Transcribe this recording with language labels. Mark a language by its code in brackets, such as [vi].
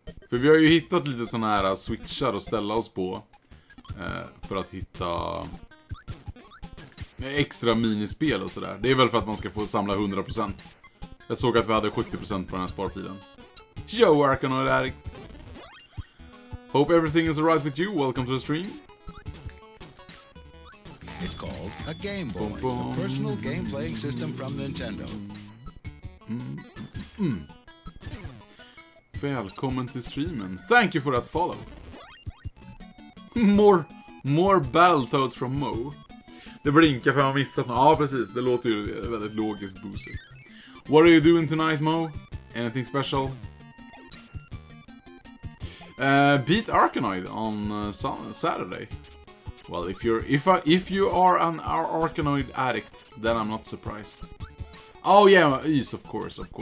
[sv] För vi har ju hittat lite sådana här switchar att ställa oss på. För att hitta... Extra minispel och sådär. Det är väl för att man ska få samla 100%. Jag såg att vi hade 70% på den här sparfilen. [en] Yo, Arkanoid Addict! Hope everything is alright with you. Welcome to the stream. It's called a Game Boy, boom, boom. A personal game playing system from Nintendo. [sv] Välkommen till streamen. [en] Thank you for that follow. More Battletoads from Mo. [sv] Det blinkar för jag har missat. Ja, precis. Det låter ju väldigt logiskt, boosigt. [en] What are you doing tonight, Mo? Anything special? Beat Arkanoid on Saturday. Well, if you are an Arkanoid addict, then I'm not surprised. Oh yeah, yes, of course.